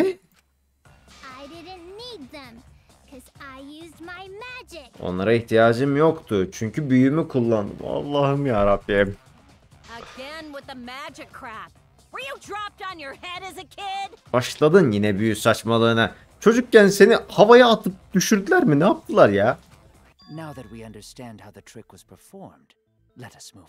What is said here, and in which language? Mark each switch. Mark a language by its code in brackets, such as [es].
[en] I didn't need them, 'cause I used my magic. [tr] Onlara ihtiyacım yoktu çünkü büyümü kullandım. Allah'ım ya Rabbim. [en] Again with the magic crap. Were you dropped on your head as a kid? [tr] Başladın yine büyü saçmalığına. Çocukken seni havaya atıp düşürdüler mi? Ne yaptılar ya? [en] Now that we understand how the trick was performed, let us move.